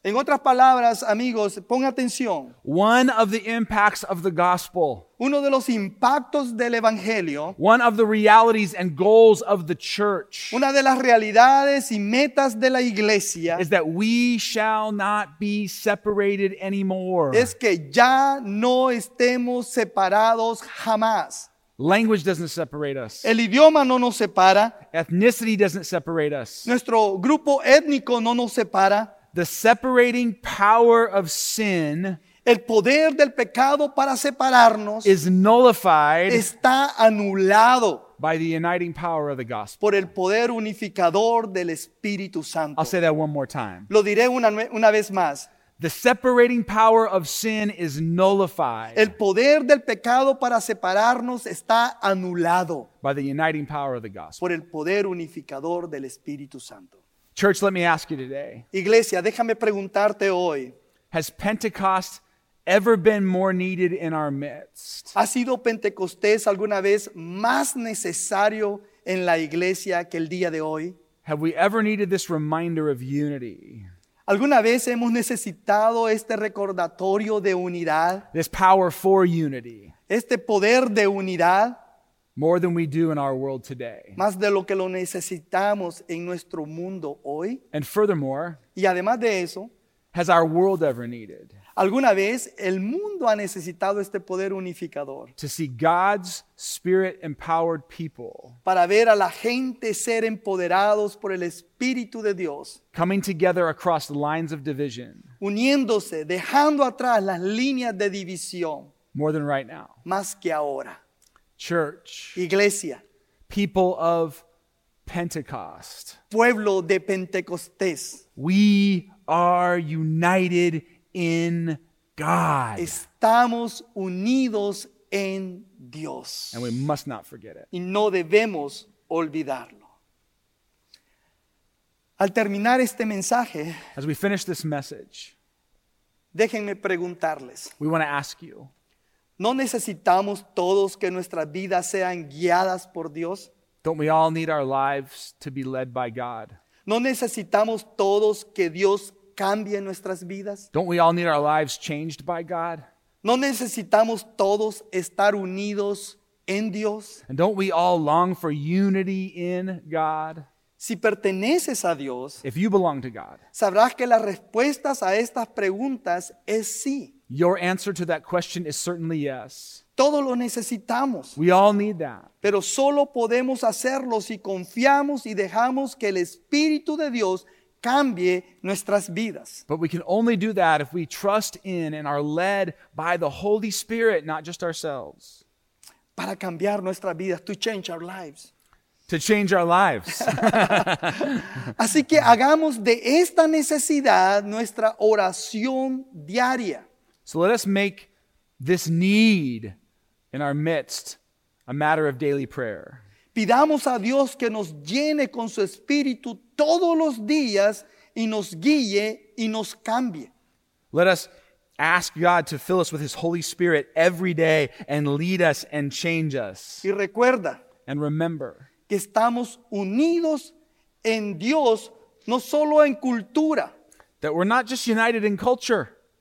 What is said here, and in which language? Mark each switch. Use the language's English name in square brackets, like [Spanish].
[Spanish] En otras palabras, amigos, pon atención. [English] One of the impacts of the gospel. [Spanish] Uno de los impactos del evangelio. [English] One of the realities and goals of the church. [Spanish] Una de las realidades y metas de la iglesia. [English] Is that we shall not be separated anymore. [Spanish] Es que ya no estemos separados jamás. [English] Language doesn't separate us. [Spanish] El idioma no nos separa. [English] Ethnicity doesn't separate us. [Spanish] Nuestro grupo étnico no nos separa. [English] The separating power of sin, [Spanish] el poder del pecado para separarnos, [English] is nullified, [Spanish] está anulado, [English] by the uniting power of the gospel. [Spanish] Por el poder unificador del Espíritu Santo. [English] I'll say that one more time. [Spanish] Lo diré una vez más. [English] The separating power of sin is nullified. [Spanish] El poder del pecado para separarnos está anulado. [English] By the uniting power of the gospel. [Spanish] Por el poder unificador del Espíritu Santo. [English] Church, let me ask you today. [Spanish] Iglesia, déjame preguntarte hoy. [English] Has Pentecost ever been more needed in our midst? [Spanish] ¿Ha sido Pentecostés alguna vez más necesario en la iglesia que el día de hoy? [English] Have we ever needed this reminder of unity? [Spanish] ¿Alguna vez hemos necesitado este recordatorio de unidad? [English] This power for unity. [Spanish] Este poder de unidad. [English] More than we do in our world today. [Spanish] Más de lo que lo necesitamos en nuestro mundo hoy. [English] And furthermore, [Spanish] y además de eso, [English] has our world ever needed? [Spanish] ¿Alguna vez el mundo ha necesitado este poder unificador? [English] To see God's Spirit-empowered people. [Spanish] Para ver a la gente ser empoderados por el Espíritu de Dios. [English] Coming together across lines of division. [Spanish] Uniéndose, dejando atrás las líneas de división. [English] More than right now. [Spanish] Más que ahora. [English] Church. [Spanish] Iglesia. [English] People of Pentecost. [Spanish] Pueblo de Pentecostés. [English] We are united in God. [Spanish] Estamos unidos en Dios. [English] And we must not forget it. [Spanish] Y no debemos olvidarlo. Al terminar este mensaje, [English] as we finish this message, [Spanish] déjenme preguntarles. [English] We want to ask you. [Spanish] ¿No necesitamos todos que nuestras vidas sean guiadas por Dios? [English] Don't we all need our lives to be led by God? [Spanish] ¿No necesitamos todos que Dios cambie nuestras vidas? [English] Don't we all need our lives changed by God? [Spanish] ¿No necesitamos todos estar unidos en Dios? [English] And don't we all long for unity in God? [Spanish] Si perteneces a Dios, [English] if you belong to God, [Spanish] sabrás que las respuestas a estas preguntas es sí. [English] Your answer to that question is certainly yes. [Spanish] Todo lo necesitamos. [English] We all need that. [Spanish] Pero solo podemos hacerlo si confiamos y dejamos que el Espíritu de Dios cambie nuestras vidas. [English] But we can only do that if we trust in and are led by the Holy Spirit, not just ourselves. [Spanish] Para cambiar nuestras vidas, [English] to change our lives. To change our lives. [Spanish] Así que hagamos de esta necesidad nuestra oración diaria. [English] So let us make this need in our midst a matter of daily prayer. [Spanish] Pidamos a Dios que nos llene con su espíritu todos los días y nos guíe y nos cambie. [English] Let us ask God to fill us with his Holy Spirit every day and lead us and change us. [Spanish] Y recuerda. [English] And remember. [Spanish] Que estamos unidos en Dios, no solo en cultura. [English] That we're not just united in culture.